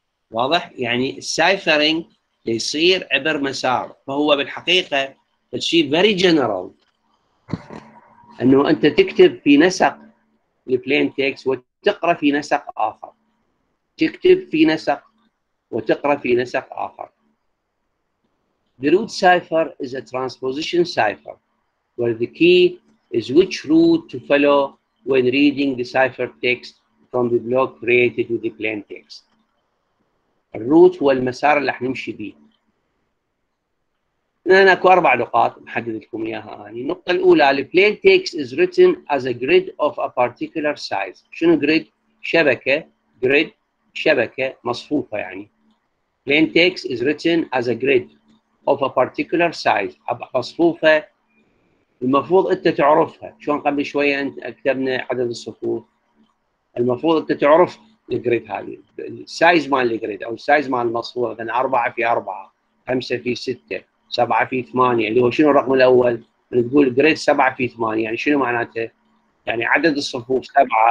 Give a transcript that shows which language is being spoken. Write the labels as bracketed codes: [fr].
[ar] واضح؟ يعني السايفرينج دي يصير عبر مسار فهو بالحقيقة الشيء [en] very general [ar] أنه أنت تكتب في نسق البلين تيكست وتقرا في نسق اخر تكتب في نسق وتقرا في نسق اخر [en] The root cipher is a transposition cipher where the key is which route to follow when reading the ciphertext from the block created with the plain text. [ar] الروت هو المسار اللي حنمشي بيه. أنا أكو أربع نقاط محدد لكم إياها هاني. النقطة الأولى [en] the plain text is written as a grid of a particular size. [ar] شنو grid؟ شبكة. Grid شبكة مصفوفة يعني. [en] Plain text is written as a grid of a particular size. [ar] مصفوفة المفروض أنت تعرفها. شلون قبل شوية أنت كتبنا عدد الصفوف. المفروض أنت تعرف الجريد هذه. السايز مال الجريد أو السايز مال المصفوفة مثلا 4 في 4 5 في 6 7 في 8 اللي هو شنو الرقم الأول؟ من تقول جريد 7 في 8 يعني شنو معناته؟ يعني عدد الصفوف 7